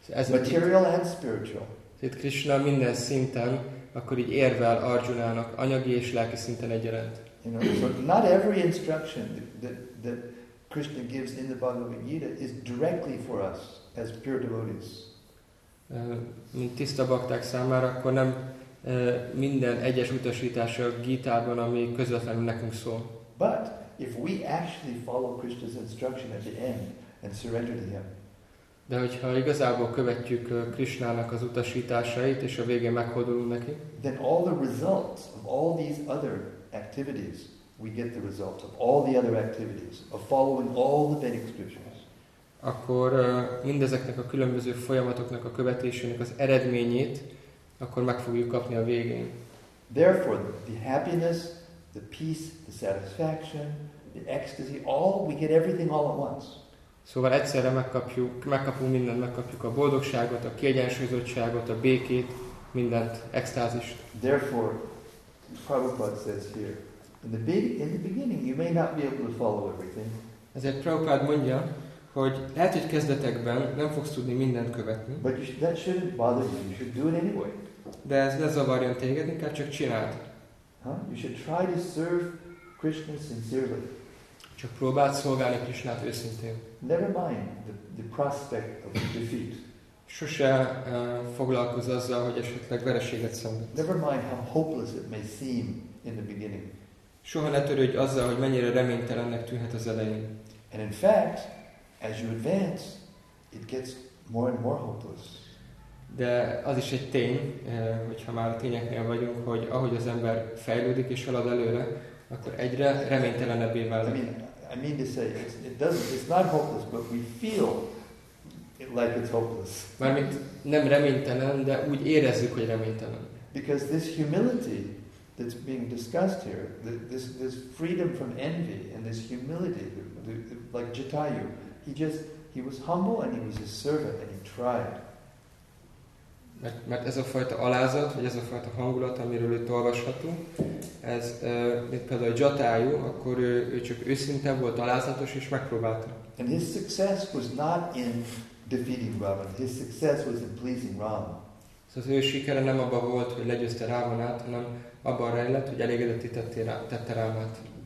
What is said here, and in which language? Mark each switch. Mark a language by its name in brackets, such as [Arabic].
[English] Material and spiritual. [Hungarian] Itt Krishna minden szinten, akkor így érvel Arjunának anyagi és lelki szinten egyaránt. [English] You know, so not every instruction that Krishna gives in the Bhagavad Gita is directly for us as pure devotees. [Hungarian] Mint tiszta bakták számára, akkor nem minden egyes utasítása a Gita-ban, ami közvetlenül nekünk szól. [English] But if we actually follow Krishna's instruction at the end and surrender to him. [Hungarian] De hogyha igazából követjük Krishnának az utasításait, és a végén meghódolunk neki, [English] then all the results of all these other activities, we get the results of all the other activities of following all the Vedic scriptures. [Hungarian] Akkor mindezeknek a különböző folyamatoknak a követésének az eredményét, akkor meg fogjuk kapni a végén. [English] Therefore, the happiness, the peace, the satisfaction, the ecstasy, all, we get everything all at once. [Hungarian] Szóval egyszerre megkapunk mindent, megkapjuk a boldogságot, a kiegyensúlyozottságot, a békét, mindent, extázist. [English] Therefore, Prabhupada says here, in the beginning you may not be able to follow everything. [Hungarian] Ezért Prabhupada mondja, hogy lehet, hogy kezdetekben nem fogsz tudni mindent követni. [English] But that shouldn't bother you, you should do it anyway. [Hungarian] De ez ne zavarjon téged, inkább csak csináld. [English] You should try to serve Krishna sincerely. [Hungarian] Csak próbáld szolgálni Krishnát őszintén. [English] Never mind the prospect of defeat. [Hungarian] Sose foglalkoz azzal, hogy esetleg vereséget szenved. [English] Never mind how hopeless it may seem in the beginning. [Hungarian] Soha ne törődj azzal, hogy mennyire reménytelennek tűnhet az elején. [English] And in fact, as you advance, it gets more and more hopeless. [Hungarian] De az is egy tény, hogyha már a tényeknél vagyunk, hogy ahogy az ember fejlődik és halad előre, akkor egyre reménytelenebbé válik. [English] I mean to say, it's not hopeless, but we feel it like it's hopeless. [Hungarian] Mármint nem reménytelen, de úgy érezzük, hogy reménytelen. [English] Because this humility that's being discussed here, this freedom from envy and this humility, like Jatayu, he was humble and he was a servant and he tried. [Hungarian] Mert ez a fajta alázat, vagy ez a fajta hangulat, amiről itt olvashatunk, ez, mint például Jatayu, akkor ő csak őszinte volt, alázatos, és megpróbálta. [English] And his success was not in defeating Ravana, his success was in pleasing Rama. [Hungarian] Szóval az ő sikere nem abban volt, hogy legyőzte Ravanát, hanem abban rejlett, hogy elégedetté tette Ravanát.